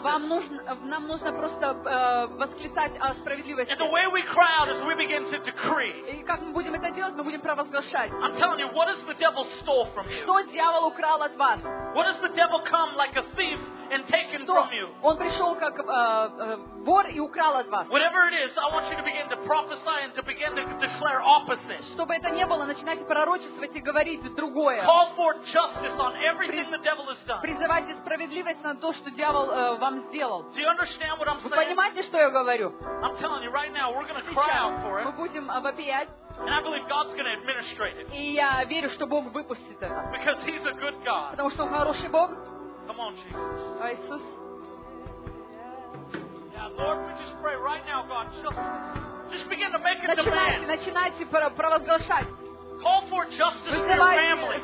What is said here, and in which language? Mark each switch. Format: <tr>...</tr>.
<ru>Вам нужно, нам нужно просто восклицать о справедливости.</ru> <en>And the way we cry out is we begin to decree.</en> <ru>И как мы будем это делать? Мы будем провозглашать.</ru> <en>I'm telling you, what has the devil stole from you?</en> <ru>Что дьявол украл от вас?</ru> <en>What has the devil come like a thief and taken from you?</en> <ru>Он пришел как вор и украл от вас.</ru> <en>Whatever it is, I want you to begin to prophesy and to begin to declare opposite.</en> <ru>Чтобы это не было, начинайте пророчествовать и говорить другое.</ru> <en>Call for justice on everything the devil has done.</en> <ru>Призывайте справедливость на то, что дьявол вам сделал.</ru> <en>Do you understand what I'm saying?</en> <ru>Вы понимаете, что я говорю?</ru> <en>I'm telling you right now, we're going to cry out for it.</en> <ru>Мы будем вопиять.</ru> <en>And I believe God's going to administrate it.</en> <ru>И я верю, что Бог выпустит это.</ru> <en>Because He's a good God.</en> <ru>Потому что Он хороший Бог.</ru> <en>Come on, Jesus.</en> <ru>Иисус.</ru> <en>Yeah, Lord, we just pray right now, God. Just begin to make a</en> <ru>начинайте,</ru> <en>demand.</en> <ru>Начинайте провозглашать.</ru> <en>Call for justice for your family.</en>